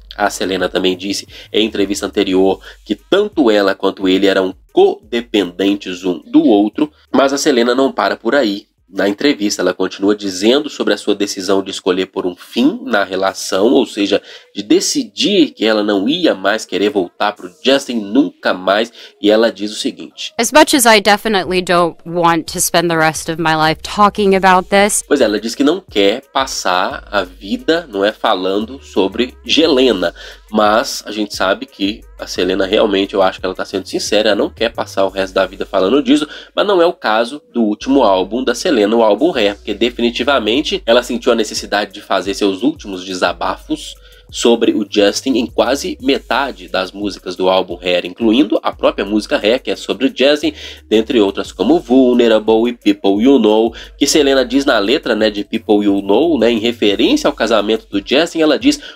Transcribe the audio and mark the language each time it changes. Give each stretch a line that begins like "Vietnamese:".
Portuguese: A Selena também disse em entrevista anterior que tanto ela quanto ele eram codependentes um do outro. Mas a Selena não para por aí. Na entrevista, ela continua dizendo sobre a sua decisão de escolher por um fim na relação, ou seja, de decidir que ela não ia mais querer voltar pro Justin nunca mais, e ela diz o seguinte.
English: As much as I definitely don't want to spend the rest of my life talking about this.
Portuguese: Pois é, ela diz que não quer passar a vida, não é, falando sobre Jelena. Mas a gente sabe que a Selena realmente, eu acho que ela está sendo sincera, ela não quer passar o resto da vida falando disso, mas não é o caso do último álbum da Selena, o álbum Rare, porque definitivamente ela sentiu a necessidade de fazer seus últimos desabafos sobre o Justin em quase metade das músicas do álbum Rare, incluindo a própria música Rare, que é sobre o Justin, dentre outras como Vulnerable e People You Know, que Selena diz na letra, né, de People You Know, né, em referência ao casamento do Justin, ela diz...